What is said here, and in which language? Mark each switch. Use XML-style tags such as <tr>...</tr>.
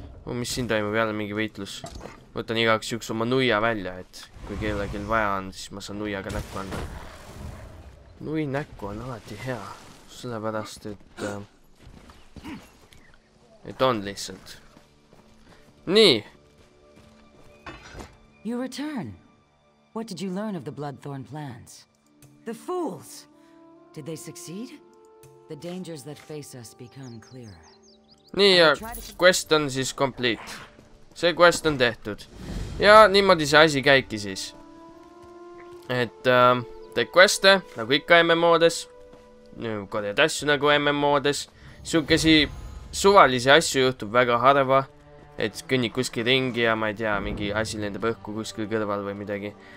<et>Mis siin toimub, jälle mingi võitlus. Võtan igaks üks oma nuia välja, et kui kellelgi vaja on, siis ma saan nuiaga näkku anda. Nui näkku on alati hea, sellepärast, et on lihtsalt. Nii!</et> <en>You return. What did you learn of the Bloodthorn plans? The fools! Did they succeed? The dangers that face us become clearer.</en> <et>Nii, ja quest on siis complete. See quest on tehtud. Ja niimoodi see asi käiki siis. Et teed queste, nagu ikka MMO-des. Nüüd korjad asju nagu MMO-des. Siukesi suvalisi asju juhtub väga harva. Et kõnni kuskil ringi ja ma ei tea, mingi asi lendab õhku kuskil kõrval või midagi.</et>